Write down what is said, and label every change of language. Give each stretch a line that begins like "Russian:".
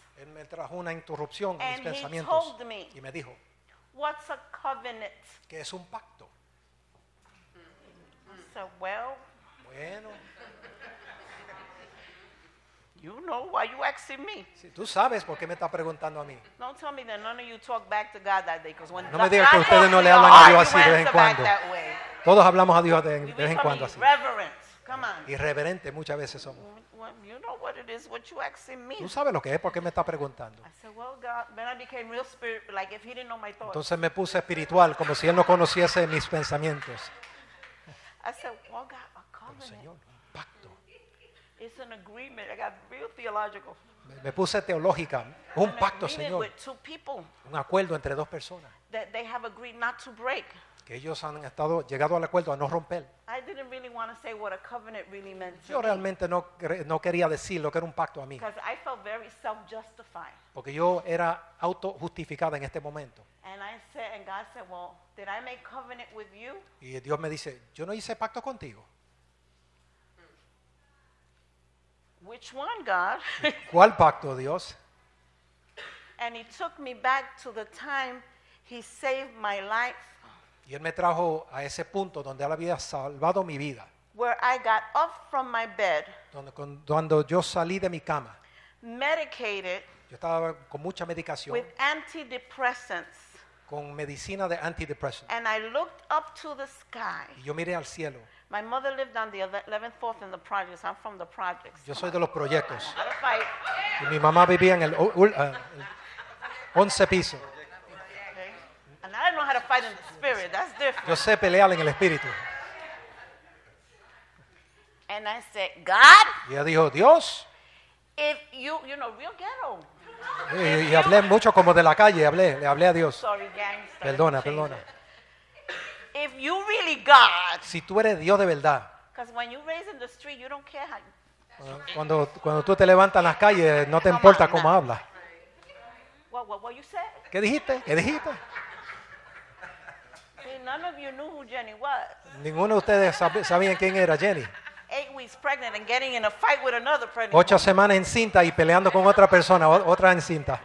Spanish: Él me trajo una interrupción a mis pensamientos.
English: And he told me.
Spanish: Y me dijo.
English: What's a covenant?
Spanish: ¿Qué es un pacto?
English: So, well.
Spanish: Bueno.
English: You know why you asking me.
Spanish: Sí, tú sabes por qué me está preguntando a mí.
English: Don't tell me that none of you talk back to God that day. Because when
Spanish: no me digas que ustedes no le hablan a Dios así de vez en cuando. Todos hablamos a Dios de vez en cuando así. Irreverente muchas veces somos.
English: Well, you know what it is, what you asking me.
Spanish: Tú sabes lo que es, por qué me está preguntando.
English: I said, well, God, then I became real spirit, like if he didn't know my thoughts.
Spanish: Entonces me puse espiritual, como si él no conociese mis pensamientos.
English: I said, well, God, a covenant.
Spanish: Pero Señor, un pacto.
English: It's an agreement. I got real theological.
Spanish: Me puse teológica, un pacto, Señor.
English: With two people.
Spanish: Un acuerdo entre dos personas.
English: That they have agreed not to break.
Spanish: Que ellos han estado llegado al acuerdo a no romper.
English: I didn't really want to say what a covenant really meant to
Spanish: yo realmente
English: me.
Spanish: No quería decir lo que era un pacto a mí.
English: Because I felt very self-justified.
Spanish: Porque yo era autojustificada en este momento.
English: And I said, and God said, well, did I make covenant with you?
Spanish: Y Dios me dice, yo no hice pacto contigo.
English: Which one, God?
Spanish: ¿Cuál pacto, Dios?
English: And he took me back to the time he saved my life.
Spanish: Y él me trajo a ese punto donde él había salvado mi vida.
English: Where I got up from my bed.
Spanish: Cuando yo salí de mi cama.
English: Medicated.
Spanish: Yo estaba con mucha medicación.
English: With antidepressants.
Spanish: Con medicina de antidepresión.
English: And I looked up to the sky.
Spanish: Y yo miré al cielo.
English: My mother lived on the 11th floor in the projects. I'm from the projects.
Spanish: Yo soy de los proyectos. Y mi mamá vivía en el 11 piso.
English: I don't know how to fight in the spirit. That's different.
Spanish: Yo sé pelear en el espíritu.
English: And I said, God.
Spanish: Y ella dijo, Dios.
English: If you know, real ghetto.
Spanish: Y hablé mucho como de la calle. Le hablé a Dios.
English: Sorry, gangster.
Spanish: Perdona.
English: If you really God.
Spanish: Si tú eres Dios de verdad.
English: Because when you raise in the street, you don't care how.
Spanish: Cuando tú te levantas en las calles, no te importa cómo hablas.
English: What you said?
Spanish: ¿Qué dijiste?
English: None of you knew who Jenny was.
Spanish: Ninguno de ustedes sabían quién era Jenny.
English: 8 weeks pregnant and getting in a fight with another pregnant.
Spanish: 8 semanas en cinta y peleando con otra persona, otra en cinta.